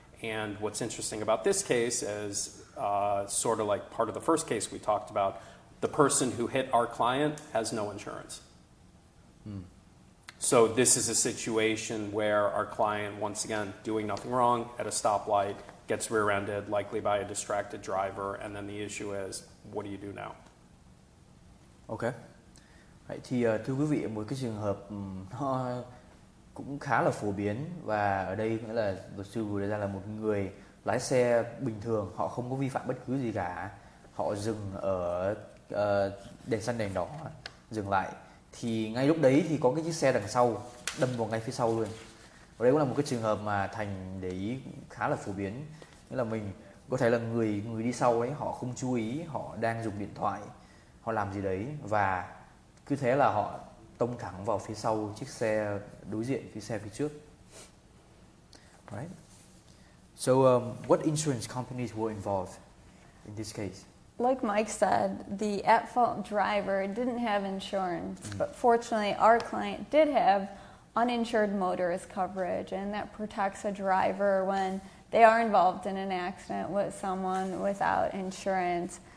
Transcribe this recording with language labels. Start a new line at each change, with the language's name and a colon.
English: And what's interesting about this case is, sort of like part of the first case we talked about, the person who hit our client has no insurance. So this is a situation where our client, once again, doing nothing wrong at a stoplight, gets rear-ended, likely by a distracted driver, and then the issue is, what do you do now? Okay.
Vietnamese: Vậy thì thưa quý vị, một cái trường hợp nó cũng khá là phổ biến, và ở đây nghĩa là luật sư vừa đưa ra là một người lái xe bình thường, họ không có vi phạm bất cứ gì cả, họ dừng ở đèn xanh đèn đỏ dừng lại, thì ngay lúc đấy thì có cái chiếc xe đằng sau đâm vào ngay phía sau luôn. Và đây cũng là một cái trường hợp mà Thành để ý khá là phổ biến, nghĩa là mình có thể là người đi sau ấy họ không chú ý, họ đang dùng điện thoại, họ làm gì đấy, và cứ thế là họ tông thẳng vào phía sau chiếc xe đối diện, phía xe phía trước.
English: Right. So what insurance companies were involved in this case? Like Mike said, the at-fault driver didn't have insurance, but fortunately our client did have uninsured motorist coverage, and that protects a driver when they are involved in an accident with someone without insurance.